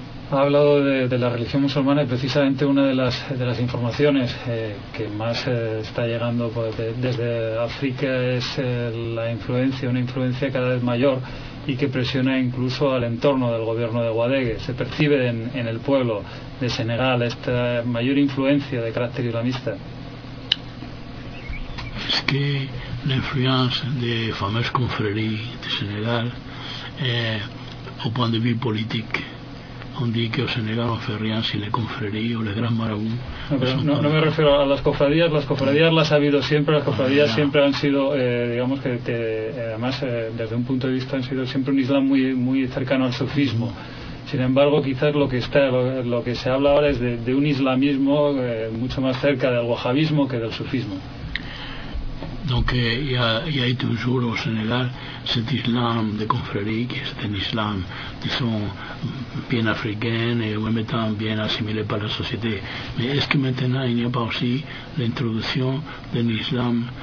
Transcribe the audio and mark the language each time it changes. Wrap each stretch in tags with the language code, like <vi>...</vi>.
<es>Ha hablado de la religión musulmana y precisamente una de las informaciones que más está llegando desde África es una influencia cada vez mayor y que presiona incluso al entorno del gobierno de Ouadegue. Se percibe en el pueblo de Senegal esta mayor influencia de carácter islamista. Es que la influencia de</es> <fr>fameuse confrérie de Senegal au point de vue politique. On dit que au Senegal on fait rien si les confréries ou les grands marabouts.</fr> <es>No me refiero a las cofradías las ha habido siempre, las cofradías siempre han sido, digamos que desde un punto de vista han sido siempre un islam muy, muy cercano al sufismo. Sin embargo, quizás lo que se habla ahora es de un islamismo mucho más cerca del wahabismo que del sufismo.</es> <fr>Donc il y a toujours au Sénégal cet islam de confrérie qui est un islam disons bien africain et en même temps bien assimilé par la société, mais est-ce que maintenant il n'y a pas aussi l'introduction d'un islam</fr>